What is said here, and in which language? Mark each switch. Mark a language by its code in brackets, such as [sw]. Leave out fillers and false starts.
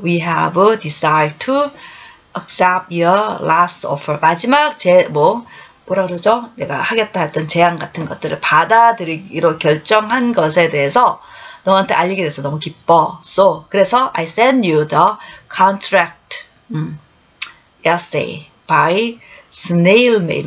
[en] We have decided to accept your last offer. [ko] 마지막 뭐라 그러죠? 내가 하겠다 했던 제안 같은 것들을 받아들이기로 결정한 것에 대해서 너한테 알리게 돼서 너무 기뻐. [en] So, [ko] 그래서 [en] I send you the contract yesterday by snail mail.